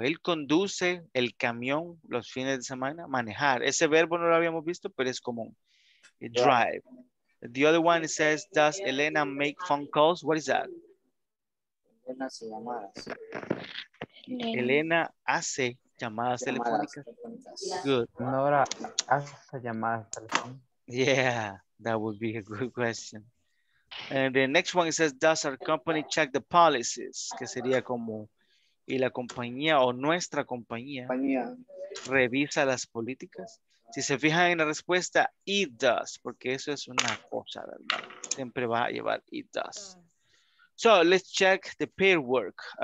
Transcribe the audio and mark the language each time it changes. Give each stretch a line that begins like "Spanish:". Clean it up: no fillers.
Spanish: Él conduce el camión los fines de semana. Manejar. Ese verbo no lo habíamos visto, pero es común.
English: Drive. Yeah. The other one says, does Elena make phone calls? What is that?
Spanish: Elena se llama. Elena hace llamadas telefónicas.
English: Good.
Spanish: Nora hace llamadas telefónicas.
English: Yeah, that would be a good question. And the next one says, does our company check the policies?
Spanish: Que sería como, y la compañía o nuestra compañía, revisa las políticas. Si se fijan en la respuesta,
English: it does,
Spanish: porque eso es una cosa, ¿verdad? Siempre va a llevar
English: it does. So, let's check the pair work.